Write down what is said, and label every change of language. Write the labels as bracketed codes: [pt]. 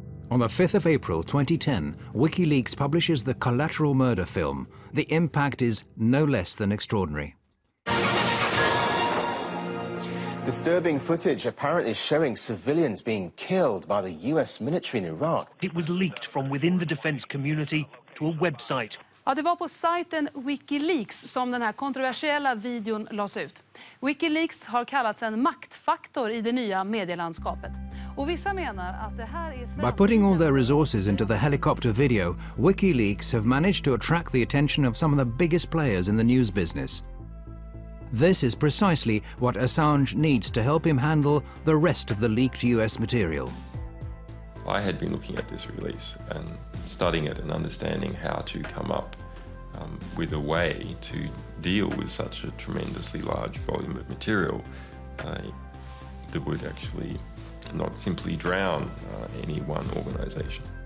[en] On the 5th of April 2010, WikiLeaks publishes the collateral murder film. The impact is no less than extraordinary. Disturbing footage apparently showing civilians being killed by the US military in Iraq. It was leaked from within the defense community to a website. [sv] Ja, det var på sajten WikiLeaks som den här kontroversiella videon lades ut. WikiLeaks har kallats en maktfaktor i det nya medielandskapet. Och vissa menar att det här är... [en] By putting all their resources into the helicopter video, WikiLeaks have managed to attract the attention of some of the biggest players in the news business. This is precisely what Assange needs to help him handle the rest of the leaked US material. I had been looking at this release and studying it and understanding how to come up with a way to deal with such a tremendously large volume of material that would actually not simply drown any one organization.